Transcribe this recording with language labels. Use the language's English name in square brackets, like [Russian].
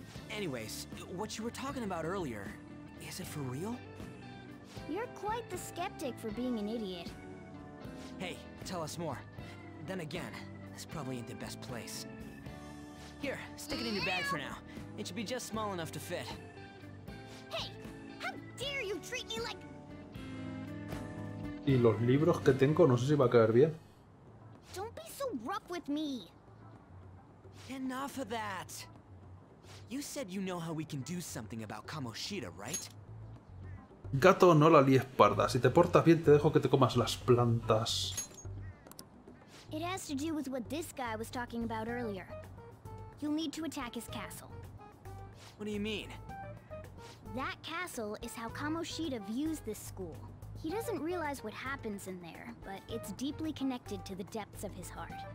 [English] Anyways, what you were talking about earlier, is it for real? You're quite the skeptic for being an idiot. Hey, tell us more. Then again, this probably ain't the best place. Here, stick it in your bag for now. It should be just small enough to fit. Hey, how dare you treat me like... [Spanish] Y los libros que tengo, no sé si va a caer bien. [English] Don't be so rough with me. Enough of that. You said you know how we can do something about Kamoshida, right? [Spanish] Gato, no la líes parda. Si te portas bien, te dejo que te comas las plantas. [English] It has to do with what this guy was talking about earlier. You'll need to attack his castle. What do you mean? That castle is how Kamoshida views this school. He doesn't realize what happens in there, but it's deeply connected to the depths of his heart.